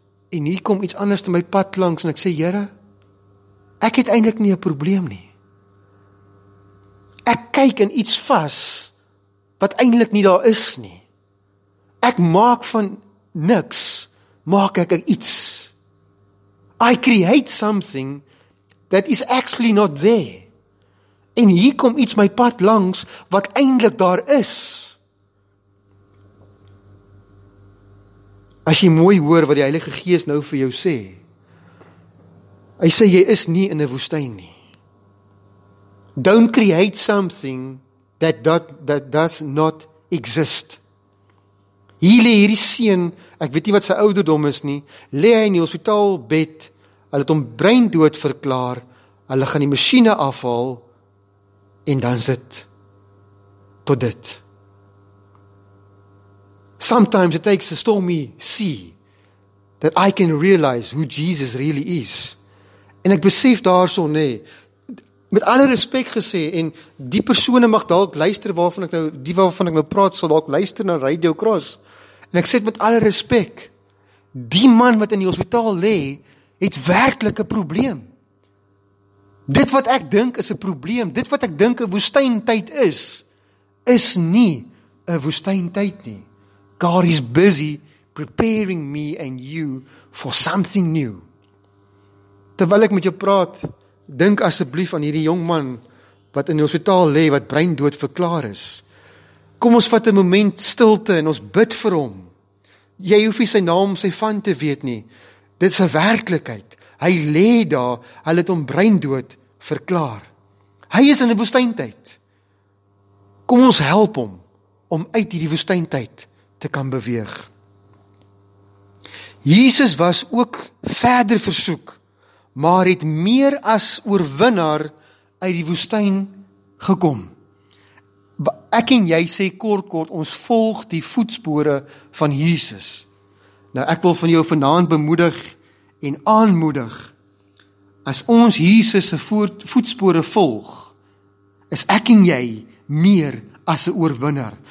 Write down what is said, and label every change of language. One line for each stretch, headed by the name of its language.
Afrikaans: En hier kom iets anders in my pad langs en ek sê, Here, ek het eintlik nie 'n probleem nie. Ek kyk in iets vas wat eintlik nie daar is nie. Ek maak van niks, maak ek iets.
English: I create something that is actually not there.
Afrikaans: En hier kom iets my pad langs wat eintlik daar is. As jy mooi hoor wat die Heilige Gees nou vir jou sê, hy sê, jy is nie in 'n woestyn nie.
English: Don't create something that does not exist.
Afrikaans: Hier lê hierdie seun, ek weet nie wat sy ouderdom is nie, lê hy in die hospitaalbed, hulle het hom breindood verklaar, hulle gaan die masjiene afhaal, en dan sit tot dit.
English: Sometimes it takes a stormy sea that I can realize who Jesus really is.
Afrikaans: En ek besef daarso, nee, met alle respek gesê, en die persone mag dalk luister waarvan ek nou, die waarvan ek nou praat, sal dalk luister na Radio Cross. En ek sê met alle respek, die man wat in die hospitaal lê, het werklik 'n probleem. Dit wat ek dink is 'n probleem, dit wat ek dink 'n woestyntyd is, is nie 'n woestyntyd nie.
English: God is busy preparing me and you for something new.
Afrikaans: Terwyl ek met jou praat, dink asseblief aan hierdie jong man wat in die hospitaal lê, wat breindood verklaar is. Kom ons vat 'n moment stilte en ons bid vir hom. Jy hoef nie sy naam, sy van te weet nie. Dit is 'n werklikheid. Hy lê daar, hulle het hom breindood verklaar. Hy is in 'n woestyntyd. Kom ons help hom om uit hierdie woestyntyd te kan beweeg. Jesus was ook verder versoek, maar het meer as oorwinnaar uit die woestyn gekom. Ek en jy sê kort, ons volg die voetspore van Jesus. Nou, ek wil van jou vanaand bemoedig en aanmoedig, as ons Jesus se voetspore volg, is ek en jy meer as 'n oorwinnaar.